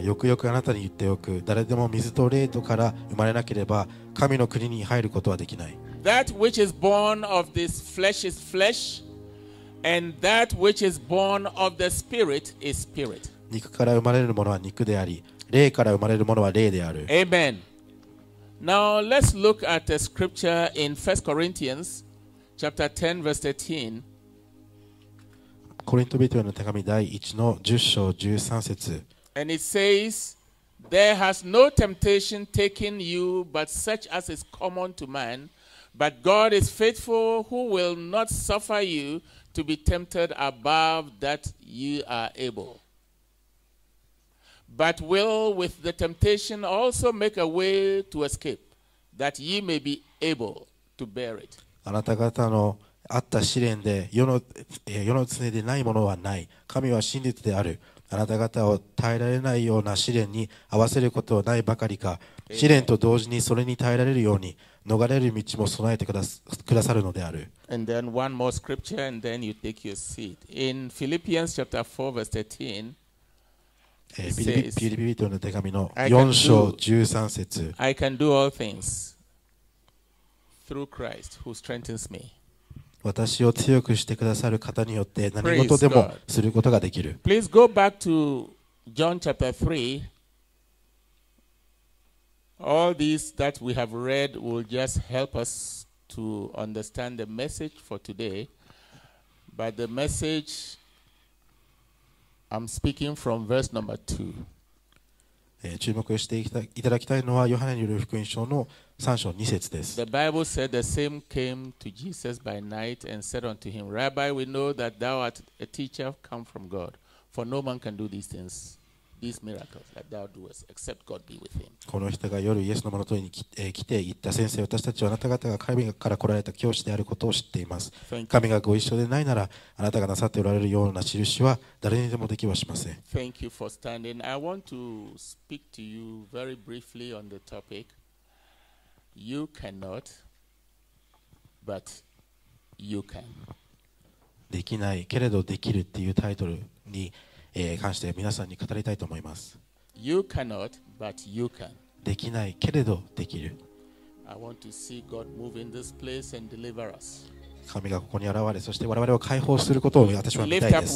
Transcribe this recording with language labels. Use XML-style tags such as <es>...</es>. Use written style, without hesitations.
<ja>よくよくあなたに言っておく。誰でも水と霊とから生まれなければ、神の国に入ることはできない。</ja> <en>That which is born of this flesh is flesh, and that which is born of the Spirit is spirit.</en> <ja>肉から生まれるものは肉であり、霊から生まれるものは霊である。</ja> <en>Amen. Now let's look at the scripture in 1 Corinthians chapter 10 verse 13.</en> <ja>コリント人への手紙第1の10章13節。</ja> <en>And it says, There has no temptation taken you but such as is common to man, but God is faithful who will not suffer you to be tempted above that you are able. But will with the temptation also make a way to escape, that ye may be able to bear it.</en> <ja>あなた方のあった試練で世の常でないものはない。神は真実である。あなた方を耐えられないような試練に合わせることはないばかりか、試練と同時にそれに耐えられるように逃れる道も備えてくださるのである。</ja> <en>And then one more scripture, and then you take your seat. In Philippians chapter 4, verse 13.</en> <ja>ピリピリとの手紙の4章13節</ja> <en>I can do all things through Christ who strengthens me.</en> <ja>私を強くしてくださる方によって何事でもすることができる。</ja> <en>Please go back to John chapter 3. All these that we have read will just help us to understand the message for today. But the message, I'm speaking from verse number 2.</en> <ja>注目していただきたいのはヨハネによる福音書の3章2節です。</ja> <en>The Bible said the same came to Jesus by night and said unto him, Rabbi, we know that thou art a teacher come from God, for no man can do these things, these miracles that thou doest, except God be with him.</en> <ja>この人が夜イエスの元に来て言った先生、私たちはあなた方が神から来られた教師であることを知っています。神がご一緒でないなら、あなたがなさっておられるような印は誰にでもできはしません。</ja> <en>Thank you for standing. I want to speak to you very briefly on the topic. You cannot, but you can.</en> <ja>できないけれどできるっていうタイトルに、関して皆さんに語りたいと思います。</ja> <en>You cannot, but you can.</en> <ja>できないけれどできる。</ja> <en>I want to see God move in this place and deliver us.</en> <ja>神がここに現れ、そして我々を解放することを私は見たいです。</ja>